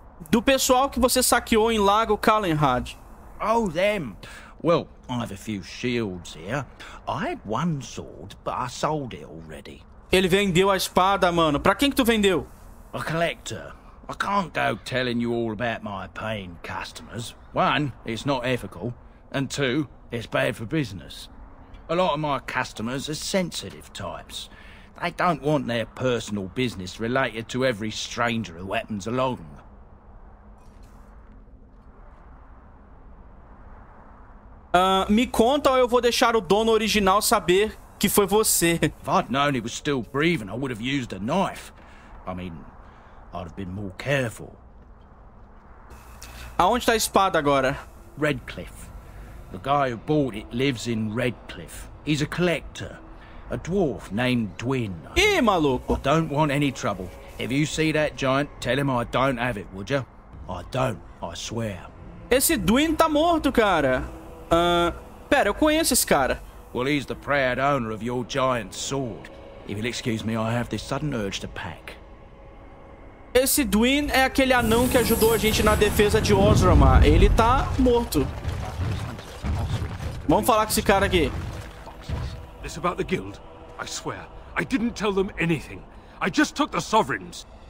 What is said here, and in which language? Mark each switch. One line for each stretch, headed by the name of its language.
Portuguese: Do pessoal que você saqueou em Lago Kallenhad.
English: Oh, them. Well, I have a few shields here. I had one sword, but I sold it already.
Portuguese: Ele vendeu a espada, mano. Pra quem que tu vendeu?
English: A collector. I can't go telling you all about my paying customers. One, it's not ethical. And two, it's bad for business. A lot of my customers are sensitive types. They don't want their personal business related to every stranger who happens along.
Portuguese: Me conta ou eu vou deixar o dono original saber que foi você.
English: If I'd known he was still breathing, I would have used a knife. I mean, I'd have been more careful.
Portuguese: Aonde está a espada agora?
English: Redcliffe. The guy who bought it lives in Redcliffe. He's a collector. A dwarf named Dwin. Ih, maluco! I don't want any trouble. If you see that giant, tell him I don't have it, would you? I don't, I swear.
Portuguese: Esse Dwin tá morto, cara. Pera, eu conheço esse cara.
English: Well, he's the proud owner of your giant sword. If you'll excuse me, I have this sudden urge to pack.
Portuguese: Esse Dwin é aquele anão que ajudou a gente na defesa de Orzammar. Ele tá morto. Vamos falar com esse cara aqui.
English: It's about the guild. I swear, I didn't tell them anything. I just took the sovereigns.